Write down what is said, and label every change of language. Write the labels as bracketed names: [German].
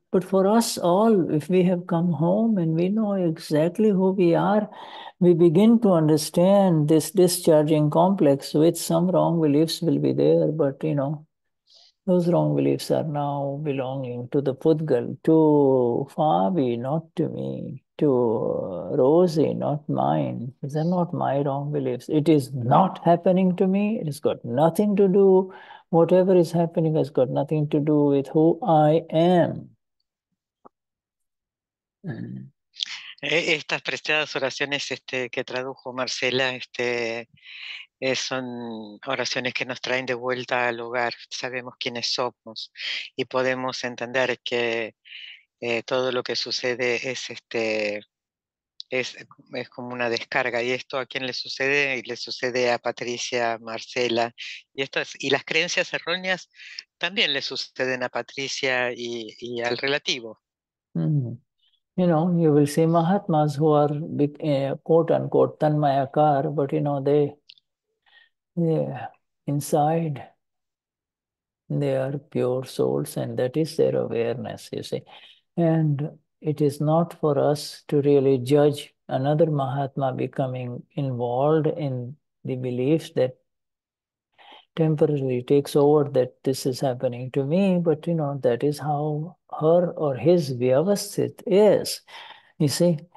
[English] But for us all, if we have come home and we know exactly who we are, we begin to understand this discharging complex with some wrong beliefs will be there, but, you know, those wrong beliefs are now belonging to the Pudgal, to Fabi, not to me, to Rosie, not mine. These are not my wrong beliefs. It is not happening to me. It has got nothing to do. Whatever is happening has got nothing to do with who I am. [Spanish] Estas prestadas oraciones que tradujo Marcela son oraciones que nos traen de vuelta al hogar. Sabemos quiénes somos y podemos entender que todo lo que sucede es como una descarga. Y esto, ¿a quién le sucede? Y le sucede a Patricia, a Marcela. Y las creencias erróneas también le suceden a Patricia y al relativo. [English] You know, you will see Mahatmas who are quote-unquote Tanmayakar, but, you know, inside, they are pure souls, and that is their awareness, you see. And it is not for us to really judge another Mahatma becoming involved in the belief that temporarily takes over that this is happening to me, but, you know, that is how her or his vyavasthit is, you see.